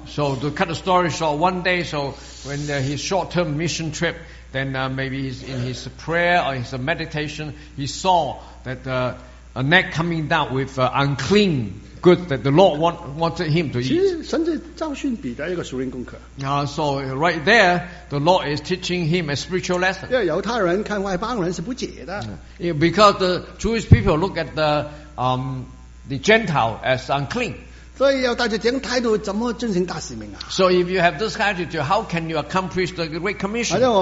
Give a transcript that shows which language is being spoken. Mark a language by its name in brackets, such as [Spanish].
[English] So to cut the story short, one day, so when his short-term mission trip, then maybe he's in his prayer or his meditation, he saw that a gnat coming down with unclean good that the Lord wanted him to eat. So right there, the Lord is teaching him a spiritual lesson. Because the Jewish people look at the Gentile as unclean. [Chinese] 所以要带着这样态度怎么进行大使命啊? [English] So if you have this attitude, how can you accomplish the Great Commission?